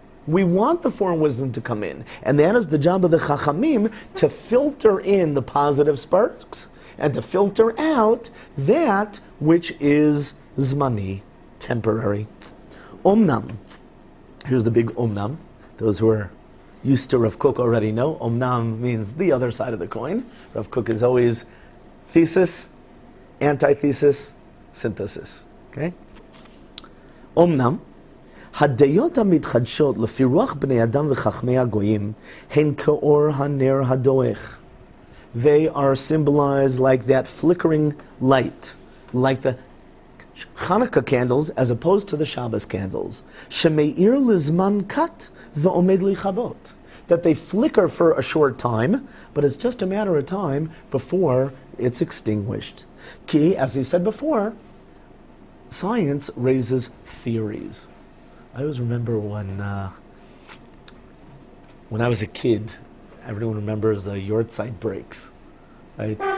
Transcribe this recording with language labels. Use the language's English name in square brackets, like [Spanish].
[English] We want the foreign wisdom to come in. And that is the job of the Chachamim, to filter in the positive sparks and to filter out that which is zmani, temporary. Omnam. Here's the big omnam. Those who are used to Rav Kook already know. Omnam means the other side of the coin. Rav Kook is always thesis, antithesis, synthesis. Okay? Omnam. [Hebrew] הדעות המתחדשות לפי רוח בני אדם וחכמי הגויים הן כאור הנר הדועך. [English] They are symbolized like that flickering light, like the Hanukkah candles as opposed to the Shabbos candles. [Hebrew] שמאיר לזמן קט ועומד לכבות. [English] That they flicker for a short time, but it's just a matter of time before it's extinguished. כי, as we said before, science raises theories. I always remember when I was a kid, everyone remembers the Yahrzeit breaks. Right?